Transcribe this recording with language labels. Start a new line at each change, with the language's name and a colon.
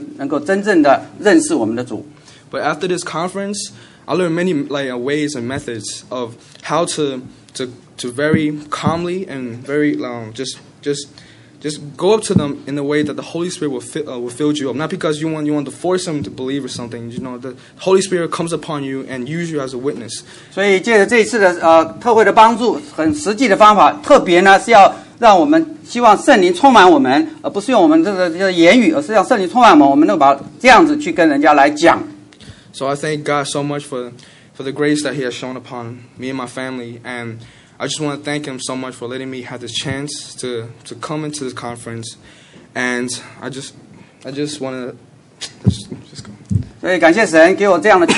Chinese: 所以就借着这些弟兄姊妹帮助，我们就再去跟那位朋友再去说，用一个很冷静、很有组织的方法，再去跟他好好的再讲一次，让他们能够真正的认识我们的主。
English: But after this conference, I learned many like ways and methods of how to very calmly and very just go up to them in the way that the Holy Spirit will fill you up. Not because you want to force them to believe or something. You know, the Holy Spirit comes upon you and use you as a witness.
Chinese: 所以借着这一次的特会的帮助，很实际的方法，特别呢是要让我们希望圣灵充满我们，而不是用我们这个言语，而是让圣灵充满我们，我们能够把这样子去跟人家来讲。
English: So I thank God so much for the grace that He has shown upon me and my family, and I just want to thank Him so much for letting me have this chance to come into this conference, and I just want to just go.